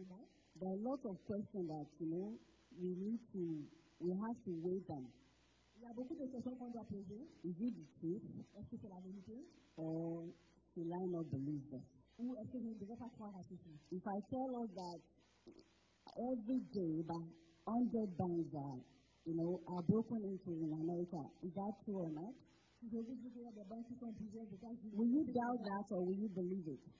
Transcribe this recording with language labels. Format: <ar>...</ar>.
<en>There are a lot of questions that, you know, we have to weigh them.</en> <fr>Il y a beaucoup de questions qu'on doit poser.</fr> <en>Is it the truth?</en> <fr>Est-ce que c'est la vérité?</fr> <en>Or should I not believe this?</en> <fr>Ou est-ce que vous ne devez pas croire à ceci?</fr> <en>If I tell us that every day that 100 banks are you know, are broken into in America. Is that true or not? Will you doubt that or will you believe it?</en>